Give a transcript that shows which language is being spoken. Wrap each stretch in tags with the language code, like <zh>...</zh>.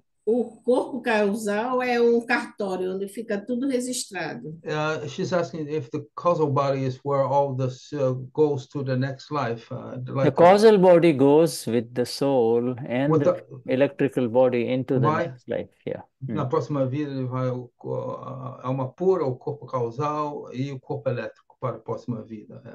<pt>O corpo causal é um cartório onde fica tudo registrado.</pt> <en>She's asking if the causal body is where all this goes to the next life. The causal body goes with the soul and the electrical body into the next life.</en> <pt>Na próxima vida ele vai a alma pura, o corpo causal e o corpo elétrico para a próxima vida.</pt>